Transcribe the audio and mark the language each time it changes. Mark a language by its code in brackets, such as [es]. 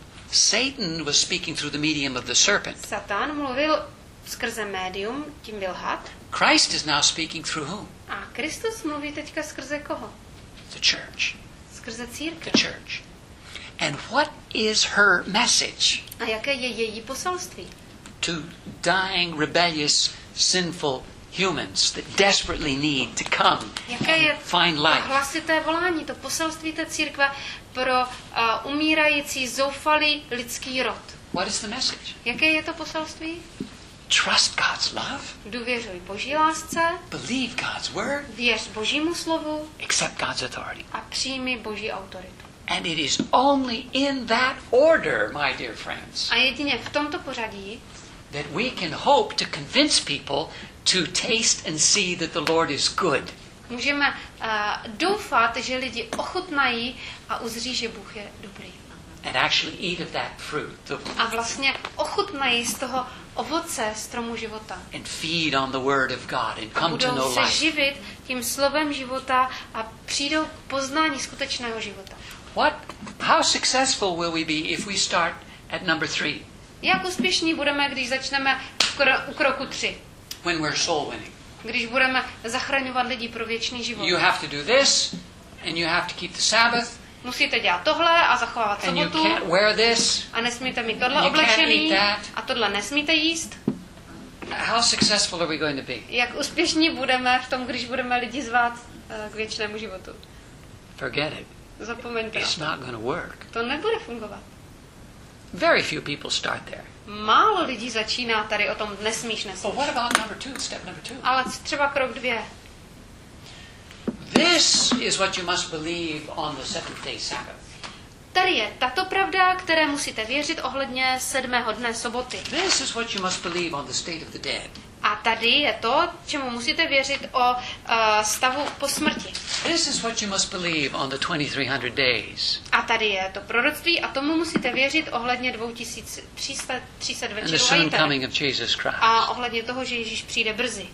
[en] Satan was speaking through the medium of the serpent. [cs] Satan mluvil skrze médium, tím byl had. [en] Christ is now speaking through whom? [cs] A Kristus mluví teďka skrze koho? [en] The church. [cs] Skrze církev. [en] The church. And what is her message? [cs] A jaké je její poselství? [en] To dying, rebellious, sinful humans that desperately need to come and find life. [cs] Hlasité volání, to poselství té církve pro umírající, zoufalý lidský rod. [en] What is the message? [cs] Jaké je to poselství? [en] Trust God's love. [cs] Důvěřuj Boží lásce. [en] Believe God's word. [cs] Věř Božímu slovu. [en] Accept God's authority. [cs] A přijmi Boží autoritu. [en] And it is only in that order, my dear friends. [cs] A jedině v tomto pořadí. [en] That we can hope to convince people to taste and see that the Lord is good. [cs] Můžeme doufat, že lidi ochutnají a uzří, že Bůh je dobrý. [en] And actually eat of that fruit. [cs] A vlastně ochutnají z toho ovoce stromu života. [en] And feed on the word of God and come to know life. [cs] Budou se živit tím slovem života a přijdou k poznání skutečného života. [en] What? How successful will we be if we start at number three? [cs] Jak úspěšní budeme, když začneme u kroku tři? [en] When we're soul winning. [cs] Když budeme zachraňovat lidi pro věčný život. [en] You have to do this and you have to keep the Sabbath. [cs] Musíte dělat tohle a zachovávat sobotu. [en] And you can't wear this. [cs] A nesmíte mít tohle oblečený. A tohle nesmíte jíst. [en] How successful are we going to be? [cs] Jak úspěšní budeme v tom, když budeme lidi zvát k věčnému životu? [en] Forget it. [cs] Zapomeňte. [en] It's not going to work. [cs] To nebude fungovat. [en] Very few people start there. [cs] Málo lidí začíná tady o tom nesmíš, nesmíš. [en] But what about number two, step number two? [cs] Ale třeba krok dvě. [en] This is what you must believe on the seventh day Sabbath. [cs] Tady je tato pravda, které musíte věřit ohledně sedmého dne soboty. [en] This is what you must believe on the state of the dead. [cs] A tady je to, čemu musíte věřit o stavu po smrti. [en] This is what you must believe on the 2300 days. [cs] A tady je to proroctví a tomu musíte věřit ohledně 2300 večerů. [en] And the soon coming of Jesus Christ. [cs] A ohledně toho, že Ježíš přijde brzy.